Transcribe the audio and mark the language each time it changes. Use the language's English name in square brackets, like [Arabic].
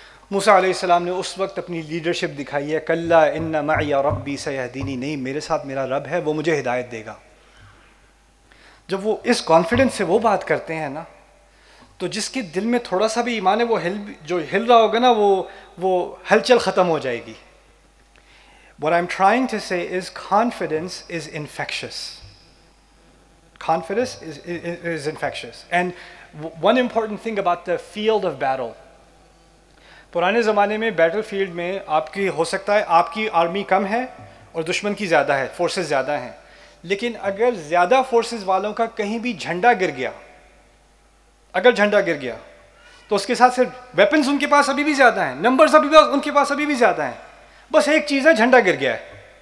[Urdu] موسیٰ علیہ السلام نے اس وقت اپنی لیڈرشپ دکھائی ہے, [Arabic] کَلَّا اِنَّ مَعِيَ رَبِّي سَيَهْدِينِي, [Urdu] نہیں, میرے ساتھ میرا رب ہے, وہ مجھے ہدایت دے گا. جب وہ اس کانفیڈنس سے وہ بات کرتے ہیں نا, تو جس کے دل میں تھوڑا سا بھی ایمان ہے وہ ہل رہا ہوگا نا, وہ ہلچل ختم ہو جائے گی. [English] What I'm trying to say is confidence is infectious. Confidence is infectious. And one important thing about the field of battle, [Urdu] پرانے زمانے میں بیٹل فیلڈ میں آپ کی, ہو سکتا ہے آپ کی آرمی کم ہے اور دشمن کی زیادہ ہے, فورسز زیادہ ہیں, لیکن اگر زیادہ فورسز والوں کا کہیں بھی جھنڈا گر گیا, اگر جھنڈا گر گیا تو اس کے ساتھ صرف ویپنز ان کے پاس ابھی بھی زیادہ ہیں, نمبرز ابھی ان کے پاس ابھی بھی زیادہ ہیں, بس ایک چیز ہے, جھنڈا گر گیا ہے.